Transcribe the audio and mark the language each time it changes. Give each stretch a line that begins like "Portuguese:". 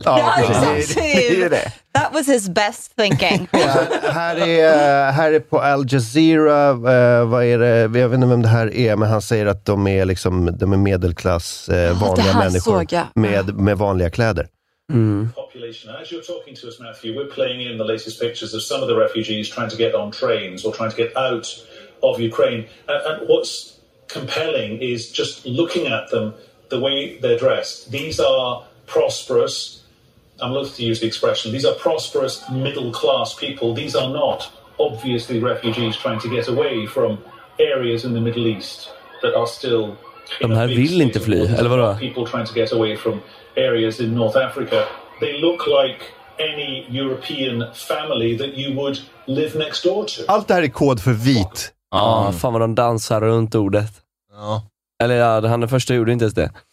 English: Ja, exactly. That was his best thinking.
Swedish: här är på Al Jazeera, vad är det? Jag vet inte vem det här är, men han säger att de är liksom, de är medelklass, vanliga människor med vanliga kläder.
English: Population. As you're talking to us, Matthew, we're playing in the latest pictures of some of the refugees trying to get on trains or trying to get out of Ukraine, and what's compelling is just looking at them, the way they're dressed. These are prosperous, I'm loath to use the expression, these are prosperous middle-class people. These are not obviously refugees trying to get away from areas in the Middle East that are still...
Swedish: De här vill inte fly, eller vadå?
English: People trying to get away from areas in North Africa. They look like any European family that you would live next door to.
Swedish: Allt det här är kod för vit. Ja, fan vad de dansar runt ordet. Ja. Eller ja, han den första gjorde inte ens det.